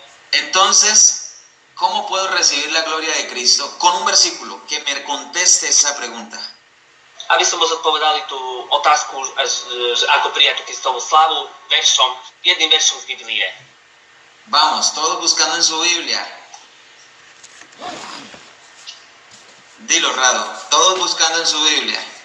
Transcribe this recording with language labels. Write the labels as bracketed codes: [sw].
[es] Entonces, ¿cómo puedo recibir la gloria de Cristo? Con un versículo que me conteste esa pregunta. [sk] Aby som zodpovedal tú otázku, že ako prijať Kristovu slavu, veršom, jedným veršom z Biblie. [es] Vamos, todos buscando en su Biblia. Dilo, Rado, todos buscando en su Biblia.